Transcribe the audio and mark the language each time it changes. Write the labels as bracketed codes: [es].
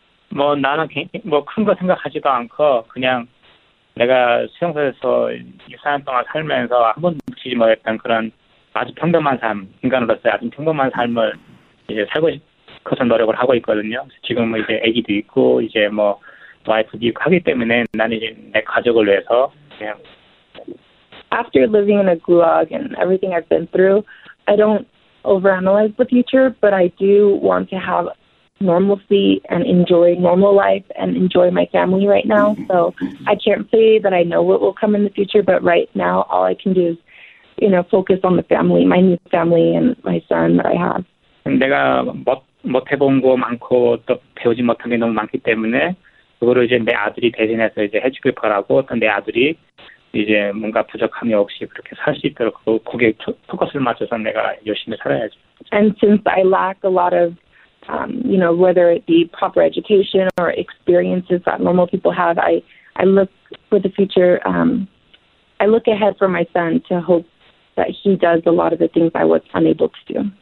[ko] 뭐 나는 뭐 큰 거 생각하지도 않고 그냥 내가 수용소에서 2~3년 동안 살면서 한 번도 느끼지 못했던 그런 아주 평범한 삶, 인간으로서 아주 평범한 삶을 이제 살고 싶어서 노력을 하고 있거든요. 지금 이제 아기도 있고 이제 뭐 와이프도 있고 하기 때문에 나는 이제 내 가족을 위해서 그냥 [en] After living in a gulag and everything I've been through, I don't overanalyze the future, but I do want to have normalcy and enjoy normal life and enjoy my family right now. So I can't say that I know what will come in the future, but right now all I can do is, you know, focus on the family, my new family and my son that I have. [ko] 내가 못 해본 거 많고 또 배우지 못한 게 너무 많기 때문에 그거를 이제 내 아들이 대신해서 이제 해주길 바라고 또 내 아들이 이제 뭔가 부족함이 없이 그렇게 살 수 있도록 그 고객 포커스를 맞춰서 내가 열심히 살아야지. [en] And since I lack a lot of, you know, whether it be proper education or experiences that normal people have, I look for the future. I look ahead for my son to hope that he does a lot of the things I was unable to do.